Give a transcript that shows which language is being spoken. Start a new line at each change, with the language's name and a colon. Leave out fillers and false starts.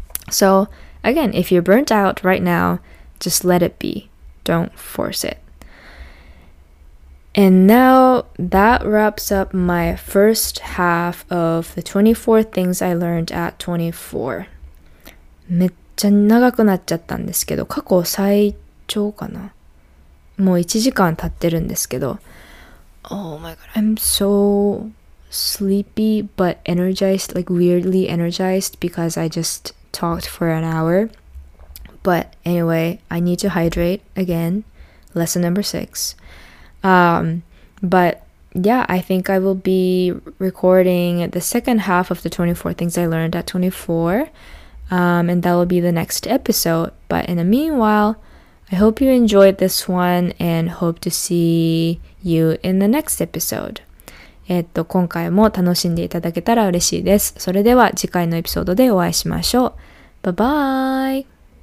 English: So, again, if you're burnt out right now, just let it be. Don't force it. And now, that wraps up my first half of the 24 things I learned at 24.
Japanese: めっちゃ長くなっちゃったんですけど、過去最超かな。もう1時間経ってるんですけど。
English: Oh my god, I'm so sleepy but energized, like weirdly energized because I just talked for an hour. But anyway, I need to hydrate again. Lesson number 6. But yeah, I think I will be recording the second half of the 24 things I learned at 24. And that will be the next episode. But in the meanwhile, I hope you enjoyed this one and hope to see you in the next episode.
Japanese: 今回も楽しんでいただけたら嬉しいです。それでは次回のエピソードでお会いしましょう。バイバイ!